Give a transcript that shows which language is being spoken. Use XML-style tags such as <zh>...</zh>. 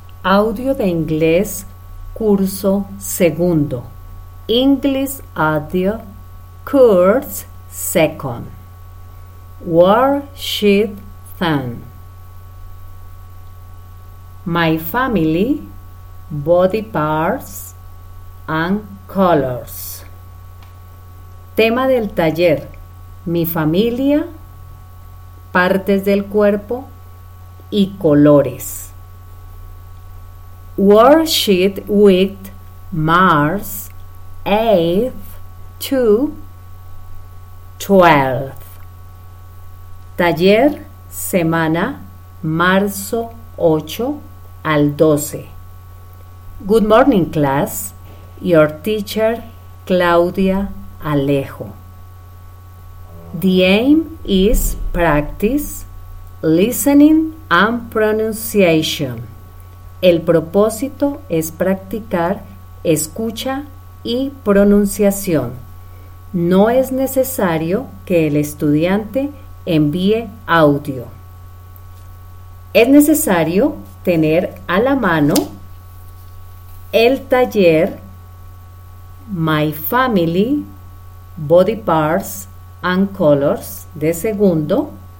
<es>Audio de inglés, curso segundo.</es> <en>English audio, course second. Worksheet third. My family, body parts and colors.</en> <es>Tema del taller: mi familia, partes del cuerpo y colores.</es> <en>Worksheet with Mars 8th to 12th.</en> <es>Taller semana marzo 8 al 12.</es> <en>Good morning class. Your teacher Claudia Alejo. The aim is practice listening and pronunciation.</en> <es>El propósito es practicar escucha y pronunciación. No es necesario que el estudiante envíe audio. Es necesario tener a la mano el taller My Family, Body Parts and Colors de segundo.</es>